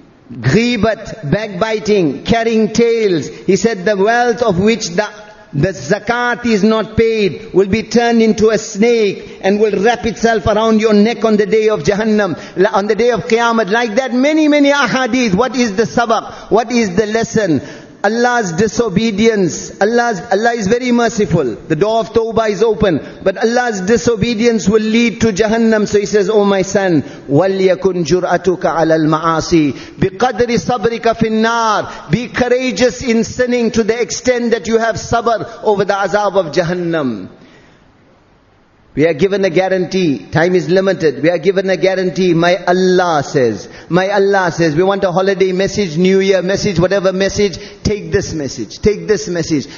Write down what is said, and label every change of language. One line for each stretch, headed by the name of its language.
English: Ghibat, backbiting, carrying tales. He said, the wealth of which the zakat is not paid will be turned into a snake and will wrap itself around your neck on the day of Jahannam, on the day of Qiyamah. Like that, many, many ahadith. What is the sabak? What is the lesson? Allah's disobedience. Allah is very merciful. The door of Tawbah is open. But Allah's disobedience will lead to Jahannam. So he says, oh my son,
Arabic: وَلْيَكُنْ جُرْأَتُكَ عَلَى الْمَعَاصِي بِقَدْرِ صَبْرِكَ فِي النَّارِ.
English: Be courageous in sinning to the extent that you have sabr over the azab of Jahannam. We are given a guarantee. Time is limited. We are given a guarantee. My Allah says. My Allah says. We want a holiday message, New Year message, whatever message. Take this message. Take this message.